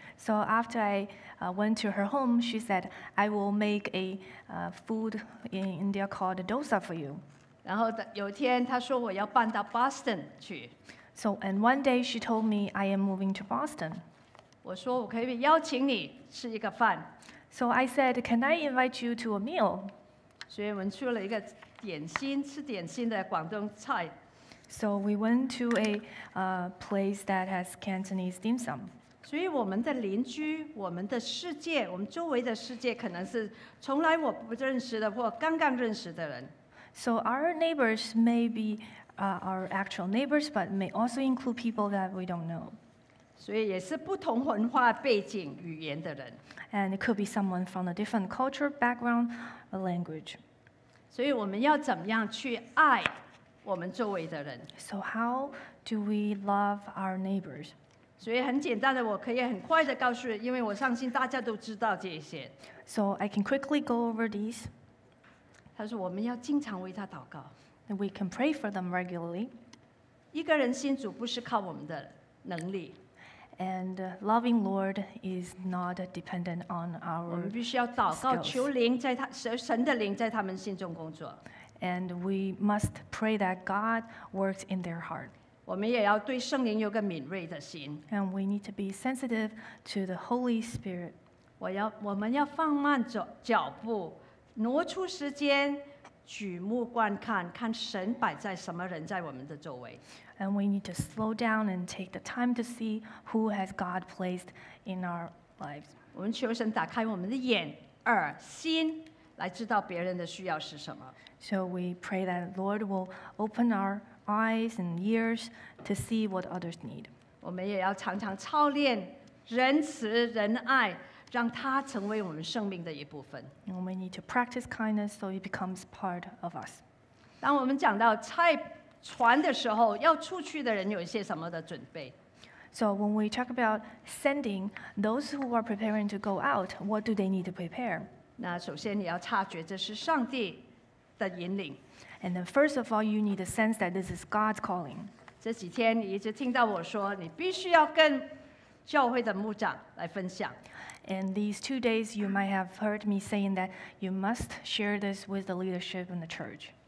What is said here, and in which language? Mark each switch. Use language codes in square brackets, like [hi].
[en] So after I went to her home, she said, "I will make a food in India called dosa for you." [zh] 然后有一天，她说我要搬到 Boston 去。 [en] So and one day she told me I am moving to Boston. [zh] 我说我可以邀请你吃一个饭。 [en] So I said, "Can I invite you to a meal?" [zh] 所以我们吃了一个点心，吃点心的广东菜。 [en] So we went to a place that has Cantonese dim sum. [zh] 所以我们的邻居，我们的世界，我们周围的世界，可能是从来我不认识的或刚刚认识的人。 [en] So our neighbors may be our actual neighbors, but may also include people that we don't know. [zh] 所以也是不同文化背景、语言的人。 [en] And it could be someone from a different culture, background, a language. [zh] 所以我们要怎么样去爱？我们周围的人。 [en] So how do we love our neighbors? [zh] 所以很简单的，我可以很快的告诉，因为我相信大家都知道这些。 [en] So I can quickly go over these. [zh] 他说我们要经常为他祷告。 [en] And we can pray for them regularly. [zh] 一个人信主不是靠我们的能力。 [en] And loving Lord is not dependent on our skills. [zh] 我们必须要祷告，求灵在他神的灵在他们心中工作。 [en] And we must pray that God works in their heart. [zh] 我们也要对圣灵有个敏锐的心。 [en] And we need to be sensitive to the Holy Spirit. [zh] 我们要放慢脚步，挪出时间，举目观看，看神摆在什么人在我们的周围。 [en] And we need to slow down and take the time to see who has God placed in our lives. [zh] 我们求神打开我们的眼、耳、心，来知道别人的需要是什么。 [en] So we pray that the Lord will open our eyes and ears to see what others need. [zh] 我们也要常常操练仁慈仁爱，让它成为我们生命的一部分。 [en] And we need to practice kindness so it becomes part of us. [zh] 当我们讲到拆船的时候，要出去的人有一些什么的准备？ [en] So when we talk about sending those who are preparing to go out, what do they need to prepare? [zh] 那首先你要察觉这是上帝。 [en] And then first of all, you need a sense that this is God's calling. [zh] 这几天你一直听到我说，你必须要跟教会的牧长来分享。 [en] And these 2 days, you might have heard me saying that you must share this with the leadership in the church.